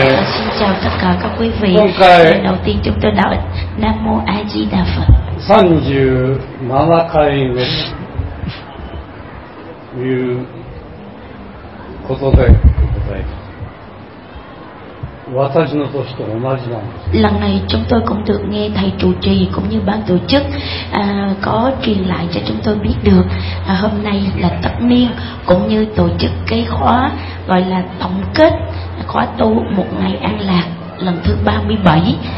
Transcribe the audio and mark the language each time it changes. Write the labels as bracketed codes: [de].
[vi] Xin chào tất cả các quý vị. Đầu tiên chúng tôi đọc Nam Mô A Di Đà Phật. [ja] 37回目ということで答え。私の年と同じなんです。 [vi] Lần này chúng tôi cũng được nghe thầy chủ trì cũng như ban tổ chức có truyền lại cho chúng tôi biết được hôm nay là tất niên cũng như tổ chức cái khóa gọi là tổng kết khóa tu một ngày an lạc lần thứ 37.